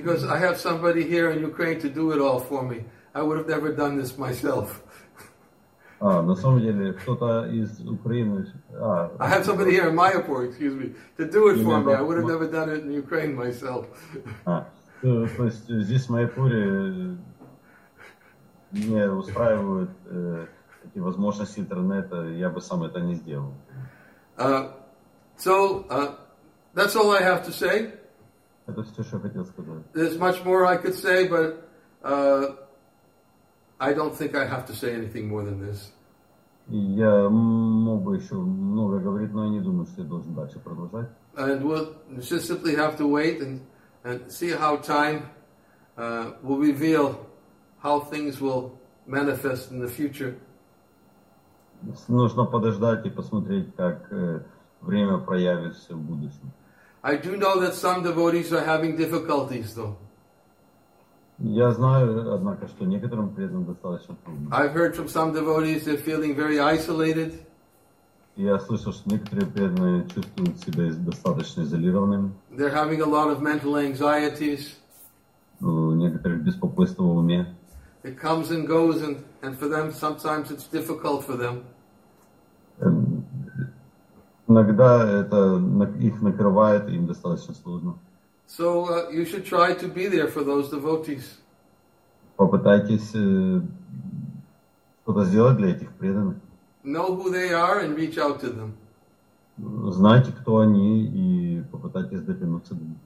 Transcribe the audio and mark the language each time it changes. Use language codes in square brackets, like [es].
[en] Because I have somebody here in Ukraine to do it all for me. I would have never done this myself. [ru] На самом деле, кто-то из Украины. [en] I have somebody here in Mayapur, excuse me, to do it for me. I would have never done it in Ukraine myself. [ru] То есть здесь в Майпуре не устраивают эти возможности интернета, я бы сам это не сделал. [en] So that's all I have to say. [ru] Это все, что я хотел сказать. [en] There's much more I could say, but I don't think I have to say anything more than this. [ru] Я мог бы еще много говорить, но я не думаю, что я должен дальше продолжать. [en] And we'll just simply have to wait and see how time will reveal how things will manifest in the future. [ru] Нужно подождать и посмотреть, как время проявится в будущем. [en] I do know that some devotees are having difficulties, though. [ru] Я знаю, однако, что некоторым преданным достаточно трудно. [en] I've heard from some devotees they're feeling very isolated. [ru] Я слышал, что некоторые преданные чувствуют себя достаточно изолированными. [en] They're having a lot of mental anxieties. [ru] У некоторых беспокойство в уме. [en] It comes and goes, and for them sometimes it's difficult for them. [ru] Иногда это их накрывает, им достаточно сложно. [en] So you should try to be there for those devotees. [ru] Попытайтесь что-то сделать для этих преданных. [en] Know who they are and reach out to them. [ru] Знайте, кто они, и попытайтесь дотянуться до них.